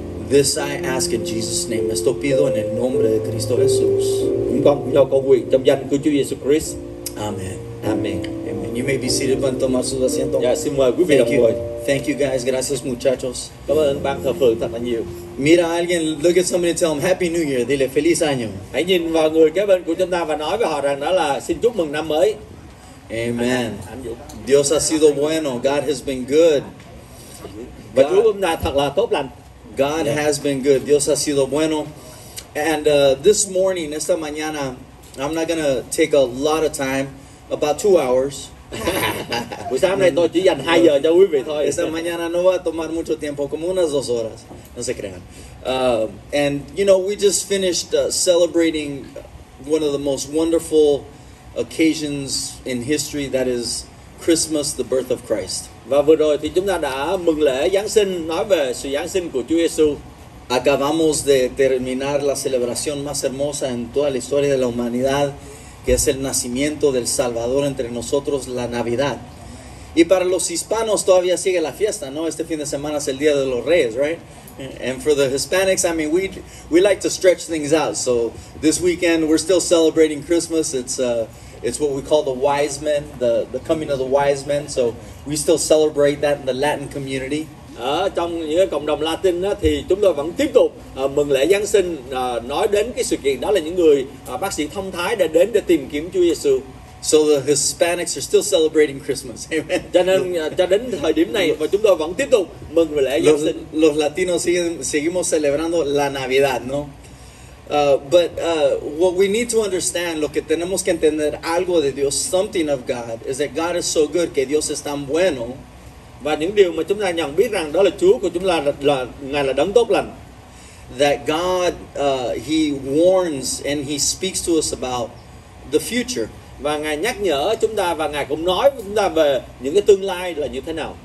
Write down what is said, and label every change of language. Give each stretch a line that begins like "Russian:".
English: This I ask in Jesus' name.
Spanish: Esto pido en el nombre de Cristo Jesús.
Vietnamese: Chúng con cũng cầu nguyện trong danh của Chúa Jesus Christ.
English: Amen. Amen. Amen. You may be seated.
Spanish: Pueden tomar sus asientos.
Vietnamese: Ya, xin mời quý vị đồng ngồi.
English: Thank you guys.
Spanish: Gracias muchachos.
Vietnamese: Cảm ơn bạn thờ phượng thật là nhiều.
Spanish: Mira a alguien,
English: look at somebody and tell them Happy New Year.
Spanish: Dile Feliz Año.
Vietnamese: Hãy nhìn vào người kế bên của chúng ta và nói với họ rằng đó là xin chúc mừng năm mới.
Spanish: Amen. Dios ha sido bueno.
English: God has been good.
Vietnamese: Và Chúa chúng ta thật là tốt lành.
English: God has been good.
Spanish: Dios ha sido bueno.
English: And this morning,
Spanish: esta mañana,
English: I'm not going to take a lot of time, about 2 hours.
Vietnamese: Buổi sáng nay tôi chỉ dành 2 giờ cho quý vị thôi.
Spanish: Esta mañana no va a tomar mucho tiempo, como unas dos horas. No se crean.
English: And you know, we just finished celebrating one of the most wonderful occasions in history, that is Christmas, the birth of Christ.
Vietnamese: Và vừa rồi thì chúng ta đã mừng lễ Giáng sinh, nói về sự Giáng sinh của Chúa Giêsu.
Spanish: Acabamos de terminar la celebración más hermosa en toda la historia de la humanidad, que es el nacimiento del Salvador entre nosotros, la Navidad. Y para los hispanos todavía sigue la fiesta, ¿no? Este fin de semana es el Día de los Reyes, right?
English: And for the Hispanics, I mean, we like to stretch things out. So this weekend, we're still celebrating Christmas. It's what we call the wise men, the coming of the wise men. So we still celebrate that in the Latin community.
Vietnamese: Ở trong những cộng đồng Latin á, thì chúng tôi vẫn tiếp tục mừng lễ Giáng sinh, nói đến cái sự kiện đó là những người bác sĩ thông thái đã đến để tìm kiếm Chúa Giêsu.
English: So the Hispanics are still celebrating Christmas. Amen.
Vietnamese: Cho nên cho đến thời điểm này mà chúng tôi vẫn tiếp tục mừng lễ Giáng sinh.
Spanish: Los latinos seguimos celebrando la Navidad, ¿no?
English: But what we need to understand,
Spanish: lo que tenemos que entender algo de Dios,
English: something of God, is that God is so good,
Spanish: que Dios es tan bueno.
Vietnamese: Và những điều mà chúng ta nhận biết rằng đó là Chúa của chúng ta là Ngài là đấng tốt lành.
English: That God, He warns and He speaks to us about the future.
Vietnamese: Và Ngài nhắc nhở chúng ta và Ngài cũng nói với chúng ta về những cái tương lai là như thế nào.